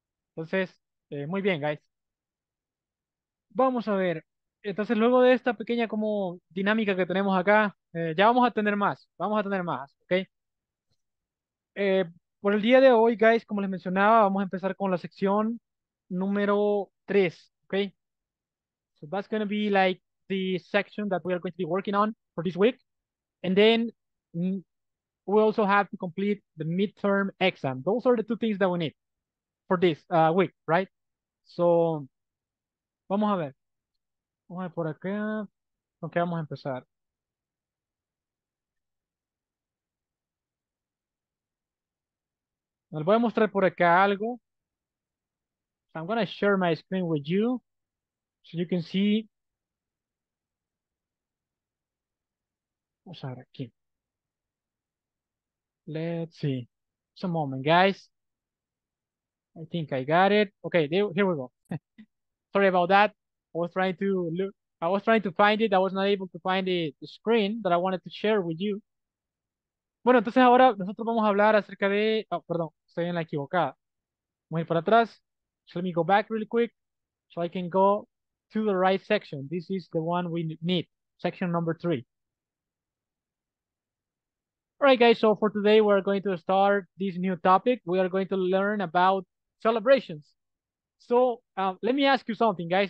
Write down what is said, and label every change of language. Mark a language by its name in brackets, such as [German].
[Spanish] Entonces, muy bien, guys. Vamos a ver. Entonces, luego de esta pequeña como dinámica que tenemos acá, ya vamos a tener más. Vamos a tener más, ¿ok? Por el día de hoy, guys, como les mencionaba, vamos a empezar con la sección número 3, ¿ok? [English] So that's going to be like the section that we are going to be working on for this week. And then we also have to complete the midterm exam. Those are the two things that we need for this week, right? [Spanish] So, vamos a ver. Vamos a ver por acá. Ok, vamos a empezar. Les voy a mostrar por acá algo. [English] So I'm going to share my screen with you so you can see. [Spanish] Vamos a ver aquí. [English] Let's see. Just a moment, guys. I think I got it. Okay, here we go. Sorry about that. I was trying to find it. I was not able to find the screen that I wanted to share with you. [Spanish] Bueno, entonces ahora nosotros vamos a hablar acerca de... Oh, perdón, estoy en la equivocada. Vamos a ir para atrás. [English] So let me go back really quick so I can go to the right section. This is the one we need. Section number 3. All right, guys. So for today, we're going to start this new topic. We are going to learn about celebrations. So let me ask you something, guys.